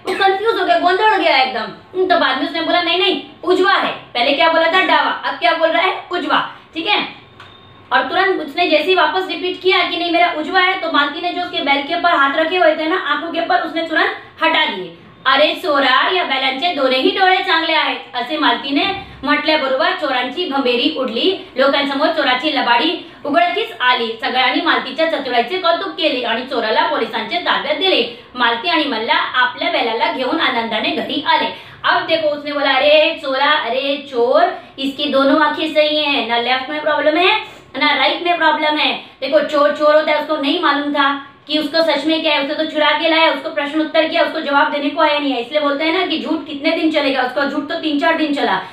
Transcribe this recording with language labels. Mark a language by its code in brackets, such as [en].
[hi] वो कंफ्यूज हो गया, गोंधड़ गया एकदम। तो बाद में उसने बोला नहीं नहीं उजवा है, पहले क्या बोला था डावा, अब क्या बोल रहा है उजवा, ठीक है। और तुरंत उसने जैसे ही वापस रिपीट किया कि नहीं मेरा उजवा है, तो मालती ने जो उसके बैल के ऊपर हाथ रखे हुए थे ना आंखों के ऊपर, उसने तुरंत हटा दिए। [mr] अरे चोरा, या बैलांचे दोन्ही ही डोळे चांगले आहेत, असे मालती ने म्हटल्या बरोबर चोरांची भंभेरी उडली। लोकांसमोर चोराची लबाडी उघडकीस आली। सगळ्यांनी मालतीच्या चतुराईचे कौतुक केले आणि चोराला पोलिसांचे ताब्यात दिले। मालती आणि मल्ला आपल्या बैलाला घेऊन आनंदाने घरी आले। [hi] अब देखो, उसने बोला अरे चोरा, अरे चोर, इसकी दोनों आंखें सही है, ना लेफ्ट में प्रॉब्लम है ना राइट में प्रॉब्लम है। देखो चोर चोर होता है, उसको नहीं मालूम था कि उसको सच में क्या है, उसे तो चुरा के लाया, उसको प्रश्न उत्तर किया, उसको जवाब देने को आया नहीं है। इसलिए बोलते हैं ना कि झूठ कितने दिन चलेगा, उसका झूठ तो 3-4 दिन चला।